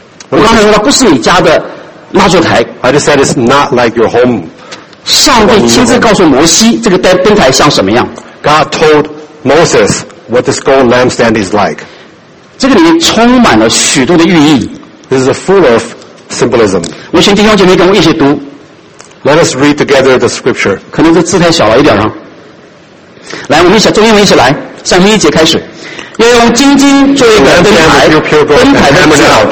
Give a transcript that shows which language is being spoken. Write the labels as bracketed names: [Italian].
[Chinese] 我刚才说它不是你家的蜡烛台。 [English] I just said it's not like your home. [Chinese] 上帝亲自告诉摩西，这个灯台像什么样 [English] ？God told Moses what this gold lampstand is like. [Chinese] 这个里面充满了许多的寓意。 [English] This is full of symbolism. [Chinese] 我请弟兄姐妹跟我一起读。 [English] Let us read together the scripture. [Chinese] 可能是字太小了一点啊。来，我们一起中英文一起来，三十一节开始。要用金金做一个灯台，灯台的字。